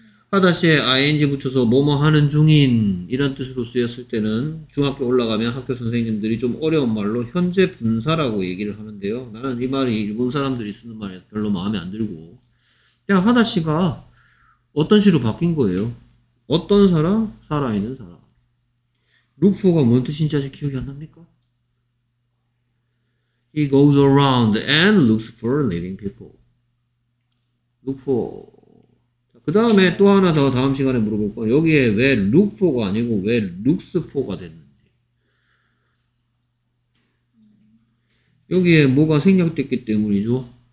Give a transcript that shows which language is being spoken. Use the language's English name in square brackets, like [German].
[Korean] 하다시에 ing 붙여서 뭐뭐 하는 중인 이런 뜻으로 쓰였을 때는 중학교 올라가면 학교 선생님들이 좀 어려운 말로 현재 분사라고 얘기를 하는데요. 나는 이 말이 일본 사람들이 쓰는 말이라서 별로 마음에 안 들고 그냥 하다시가 어떤 시로 바뀐 거예요. 어떤 사람? 살아있는 사람. 루포가 뭔 뜻인지 아직 기억이 안 납니까? [English] He goes around and looks for living people. [Korean] 루포 그 다음에 또 하나 더 다음 시간에 물어볼 거. 여기에 왜 [English] look for [Korean] 가 아니고 왜 [English] looks for [Korean] 가 됐는지. 여기에 뭐가 생략됐기 때문이죠.